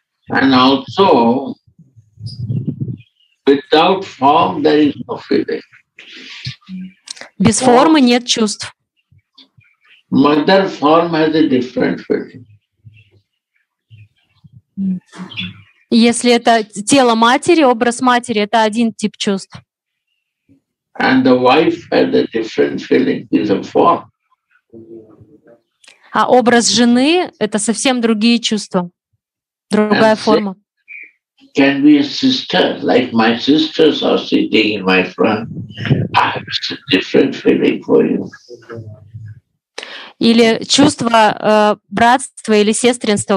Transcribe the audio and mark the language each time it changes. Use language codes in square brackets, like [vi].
[en] And also... Without form there is no feeling. [ru] Без формы нет чувств. [en] Mother form has a different feeling. [ru] Если это тело матери, образ матери, это один тип чувств. [en] And the wife has a different feeling, is a form. [ru] А образ жены это совсем другие чувства. Другая [en] And [ru] форма. [en] Can be a sister, like my sisters are sitting in my front. I have a different feeling for you. [ru] или чувство братства или сестринства.